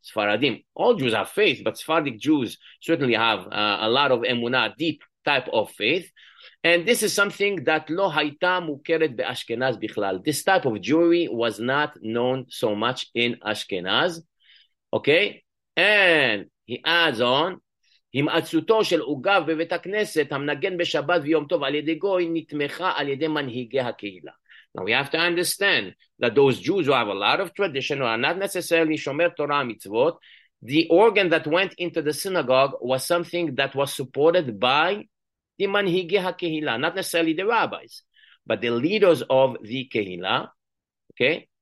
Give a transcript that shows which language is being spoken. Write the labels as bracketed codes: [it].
[en] Sfaradim, all Jews have faith, but Sephardic Jews certainly have a lot of emuna, deep type of faith. And this is something that [he] lo haita mukeret be'ashkenaz bichlal. [en] This type of Jewry was not known so much in Ashkenaz. Okay? And he adds on, [he] הימצאותו של עוגב בבית הכנסת, המנגן בשבת ויום טוב על ידי גוי, נתמכה על ידי מנהיגי הקהילה. [en] Now we have to understand that those Jews who have a lot of tradition, who are not necessarily Shomer Torah mitzvot, the organ that went into the synagogue was something that was supported by the manhigi ha-kehila, not necessarily the rabbis, but the leaders of the kehila, okay?